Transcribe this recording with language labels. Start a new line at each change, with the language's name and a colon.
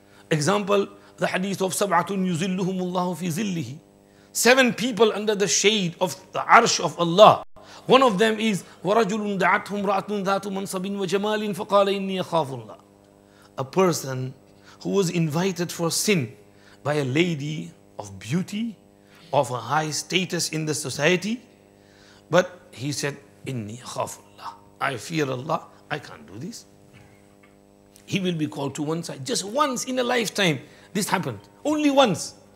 English: Example, the hadith of
Arabic: sab'atun yuzilluhumullahu fi zillihi.
English: Seven people under the shade of the arsh of Allah. One of them is
Arabic: وَرَجُلٌ دَعَتْهُمْ رَأَتْهُمْ ذَاتُ مَنْصَبٍ وَجَمَالٍ فَقَالَ إِنِّي أَخَافُ اللَّهِ.
English: a person who was invited for sin by a lady of beauty, of a high status in the society. But he said,
Arabic: Inni khafullah,
English: I fear Allah, I can't do this. He will be called to one side. Just once in a lifetime, this happened. Only once.